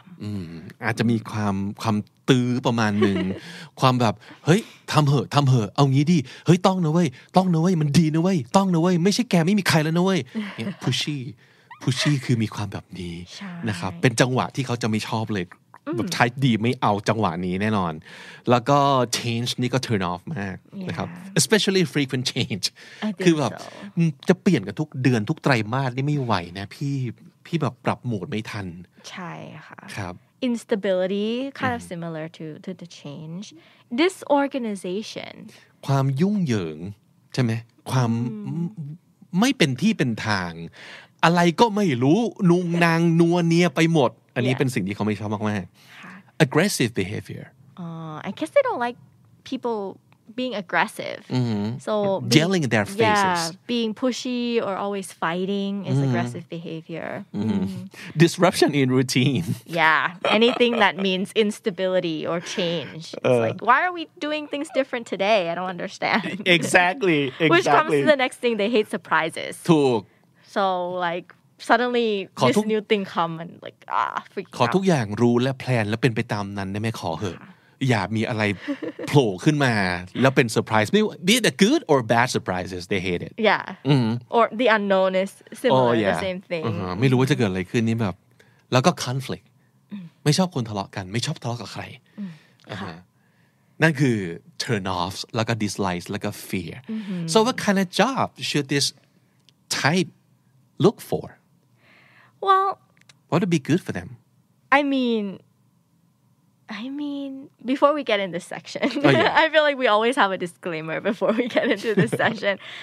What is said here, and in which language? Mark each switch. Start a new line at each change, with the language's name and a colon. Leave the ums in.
Thai: ำอืมอาจจะมีความความตื้อประมาณหนึ่ง ความแบบเฮ้ยทำเหอะทำเหอะ เอางี้ดิเฮ้ยต้องนะเว้ยต้องนะเว้ยมันดีนะเว้ยต้องนะเว้ยไม่ใช่แกไม่มีใครแล้วนะเว้ยพุชชี่พุชชี่คือมีความแบบนี้นะครับเป็นจังหวะ ที่เขาจะไม่ชอบเลยแบบใช้ดีไม่เอาจังหวะนี้แน่นอน แล้วก็ change นี่ก็ turn off มากนะครับ
English: especially frequent change
Thai: คือแบบจะเปลี่ยนกันทุกเดือนทุกไตรมาสนี่ไม่ไหวนะพี่พี่แบบปรับโหมดไม่ทัน ใช่ค่ะครับ
English: instability kind of similar to to the change disorganization
Thai: ความยุ่งเหยิงใช่ไหมความไม่เป็นที่เป็นทางอะไรก็ไม่รู้นุงนางนัวเนียไปหมด อันนี้เป็นสิ่งที่เขาไม่ชอบมากแม่
English: aggressive behavior I guess they don't like people being aggressive so yelling at their faces yeah being pushy or always fighting is aggressive behavior disruption in routine yeah anything that means instability or change it's like why are we doing things different today I don't understand exactly which comes to the next thing they hate surprises ถูก so like suddenly this new thing come and like ah freak
Thai: ขอทุกอย่าง รู้และแพลน แล้วเป็นไปตามนั้นได้ไหมขอเหอะอย่ามีอะไรโผล่ขึ้นมาแล้วเป็นเซอร์ไพรส์ไม่ว
English: be the good or bad surprises they hate it yeah mm-hmm. or the unknown is similar oh, yeah. the same thing uh-huh. ไม่
Thai: รู้ว่าจะเกิดอะไรขึ้นนี่แบบแล้วก็คอน f l i c t mm-hmm. ไม่ชอบคนทะเลาะกัน ไม่ชอบทะเลาะกับใคร uh-huh. นั่นคือ turn offs แล้วก็ dislikes แล้วก็ fear
English: mm-hmm. so what kind of job should this type look for? Well, what would be good for them? I mean, I mean, before we get in this section, oh, yeah. I feel like we always have a disclaimer before we get into this session.